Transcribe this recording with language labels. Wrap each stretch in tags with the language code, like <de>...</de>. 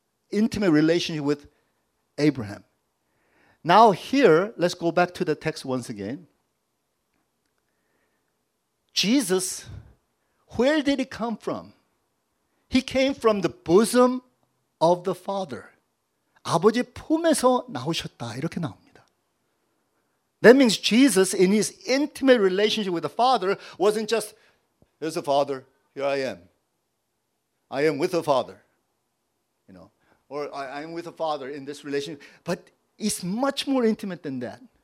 <en>Intimate relationship with Abraham. Now here, let's go back to the text once again. Jesus, where did he come from? He came from the bosom of the Father.</en> <ko>아버지 품에서 나오셨다. 이렇게 나옵니다.</ko> <en>That means Jesus, in his intimate relationship with the Father, wasn't just, here's the Father, here I am. I am with the Father. You know, or I am with the Father in this relationship. But it's much more intimate than that.</en>